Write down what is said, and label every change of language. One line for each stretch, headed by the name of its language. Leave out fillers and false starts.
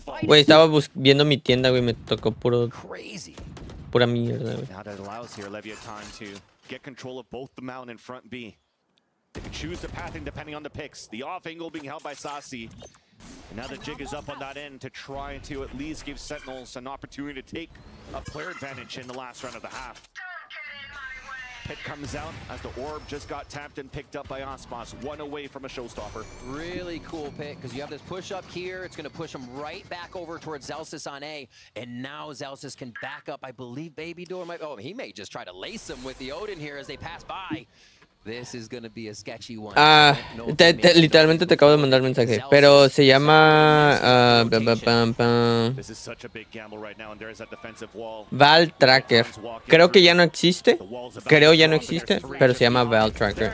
Spanish: Güey, estaba viendo mi tienda, güey. Me tocó puro. Pura mierda, güey.
English: Now that allows here Leviathan to get control of both the mountain and front B. They can choose the pathing depending on the picks. The off angle being held by Sassy. And now the jig is up on that end to try to at least give Sentinels an opportunity to take a player advantage in the last round of the half. Pit comes out as the orb just got tapped and picked up by Ospas, one away from a showstopper. Really cool pick, because you have this push up here. It's going to push him right back over towards Zelsus on A. And now Zelsus can back up. I believe Baby Door might... Oh, he may just try to lace him with the Odin here as they pass by. This is going to be a sketchy one.
Spanish: Literalmente te acabo de mandar mensaje. Pero se llama...
English: This is such a big gamble right now, and there is that defensive wall.
Spanish: Val Tracker. Creo que ya no existe. Creo ya no existe, pero se llama Val Tracker.